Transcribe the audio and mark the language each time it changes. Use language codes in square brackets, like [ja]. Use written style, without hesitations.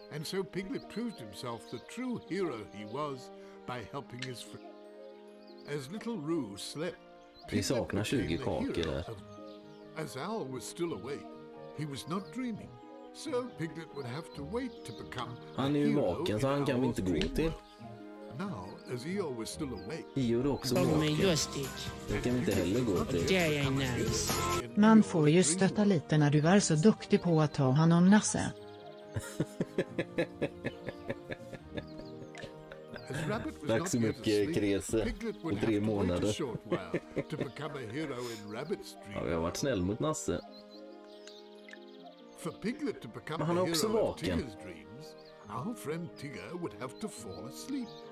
[en] And so Piglet proved himself the true hero he was by helping his friend. As little Roo slept, [sv] Piglet saknar 20 kakor där. [en] As Al was still awake, he was not dreaming. So Piglet would have to wait to become. [sv] Han är ju vaken så han kan inte gå till. [en] Now, as Eo was still awake. [sv] Eo är också vaken. Det kan inte heller gå till. Man får ju stötta lite när du är så duktig på att ta hand om Nasse. Tack så mycket, Krese. På 3 månader. Ja, jag har varit snäll mot Nasse. [en] For Piglet to become a hero of Tigger's dreams, our friend Tigger would have to fall asleep.